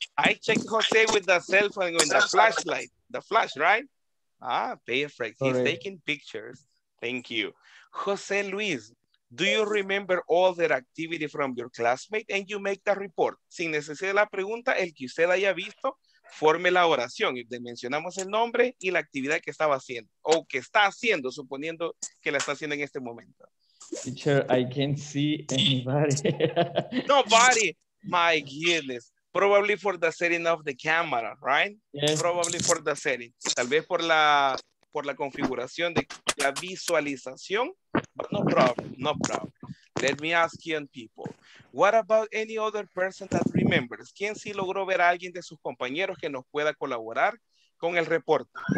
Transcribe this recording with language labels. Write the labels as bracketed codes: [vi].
[en] I check José with the cell phone with the flashlight. The flash, right? Ah, perfect. Sorry. He's taking pictures. Thank you. José Luis, do you remember all their activity from your classmate? And you make the report. [es] Sin necesidad de la pregunta, el que usted haya visto, forme la oración. Y le mencionamos el nombre y la actividad que estaba haciendo. O que está haciendo, suponiendo que la está haciendo en este momento. [en] Teacher, I can't see anybody. Nobody. My goodness. Probably for the setting of the camera, right? Yes. Probably for the setting. [es] Tal vez por la configuración de la visualización. [en] But no problem, no problem. Let me ask you and people. What about any other person that remembers? [es] ¿Quién sí logró ver a alguien de sus compañeros que nos pueda colaborar con el reporte?